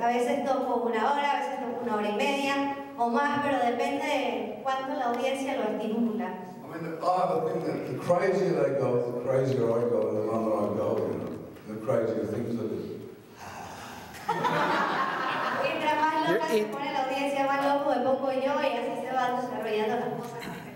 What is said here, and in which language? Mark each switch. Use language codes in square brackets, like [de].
[es] A veces toco una hora, a veces toco una hora y media o más, pero depende de cuánto la audiencia lo estimula. [en] I mean, the thing that the crazier they go, the crazier I go, the longer I go, the crazier things are. [es] Mientras más loca se pone la audiencia, más loco me pongo yo y así se van desarrollando las cosas.